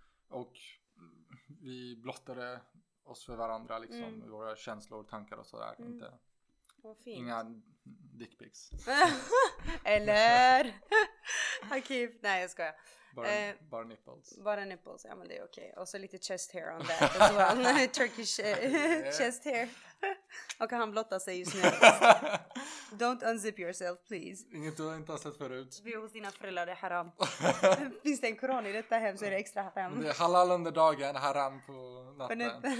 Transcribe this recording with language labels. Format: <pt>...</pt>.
<sv>Och vi blottade oss för varandra liksom. Våra känslor, tankar och sådär. Inga dick pics. Eller? Akif, nej jag skojar. Bara nipples. Bara nipples, ja men det är okej. Och så lite</sv> <en>chest hair on that as well. Turkish chest hair.</en> <sv>Och han blottar sig just nu.</sv> <en>Don't unzip yourself, please.</en> <sv>Inget du inte har sett förut. Vi är hos dina föräldrar, det är haram. Finns det en koran i detta hem så är det extra haram. Det är halal under dagen, haram på natten.</sv>